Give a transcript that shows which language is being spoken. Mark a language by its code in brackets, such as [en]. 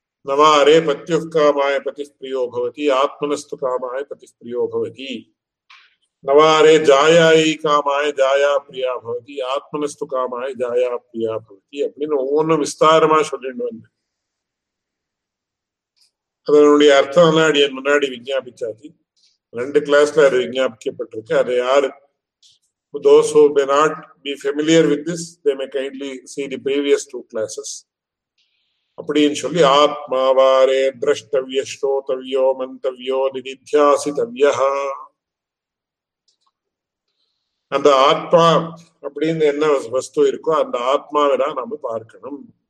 [sa] நவாரே பத்யுஷ்கா மாய பதிஸ்பிரியோ பவதி, ஆத்மனஸ்து காமாய பதிஸ்பிரியோ பவதி, நவாரே ஜாயாயி காமாய ஜாயா பிரியா பவதி, [ta] ஆத்மனஸ்து காமாய ஜாயா பிரியா பவதி அப்படின்னு ஒவ்வொன்றும் விஸ்தாரமா சொல்லிட்டு வந்து அதனுடைய அர்த்தம் எல்லாம் அடி என் முன்னாடி விஞ்ஞாபிச்சாதி, ரெண்டு கிளாஸ்ல அது விஞ்ஞாபிக்கப்பட்டிருக்கு. அதை யாரு [en] those who may not be familiar with this, they may kindly see the previous two classes. [ta] அப்படின்னு சொல்லி [sa] ஆத்மா வாரே திரஷ்டவ்ய ஸ்ரோதவ்யோ மந்தவ்யோ நிதித்யாசிதவ்யா. [ta] அந்த ஆத்மா அப்படின்னு என்ன வஸ்து இருக்கோ அந்த ஆத்மாவை தான் நம்ம பார்க்கணும்.